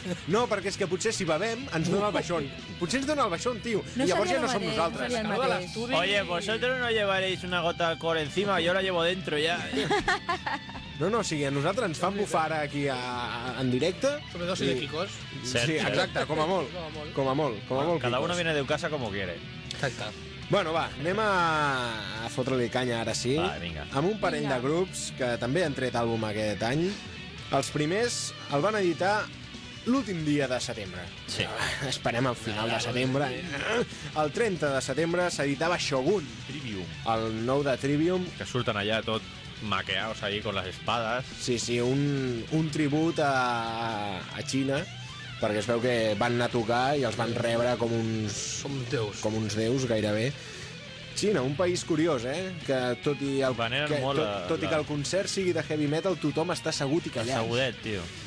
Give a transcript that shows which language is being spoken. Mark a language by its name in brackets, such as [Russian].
[Catalan] No, perquè és que potser si bevem ens dona el baixón. Potser ens dona el baixón, tio. No, i llavors ja no som nosaltres. No. [Spanish] Oye, vosotros no llevaréis una gota de cor encima, jo la llevo dentro ya. [Catalan] No, o sigui, a nosaltres ens fan bufar ara aquí en directe. Sobredosi de quicos. Sí, exacte, com a molt. Com a molt. [Spanish] Cada uno viene de casa como quiere. [Catalan] Exacte. Bueno, va, anem a fotre-li canya ara sí. Va, vinga. Amb un parell de grups que també han tret àlbum aquest any. Els primers el van editar l'últim dia de setembre. Sí. Esperem al final de setembre. El 30 de setembre s'editava Shogun. Trivium. El nou de Trivium. Que surten allà tot [Spanish] maqueados allí con las espadas. [Catalan] Sí, un tribut a Xina. Perquè es veu que van anar a tocar i els van rebre com uns... Som déus. Com uns déus, gairebé. Xina, un país curiós, eh? Que tot i el, que, molt tot, tot la... i que el concert sigui de heavy metal, tothom està assegut i callat. Assegudet, tio.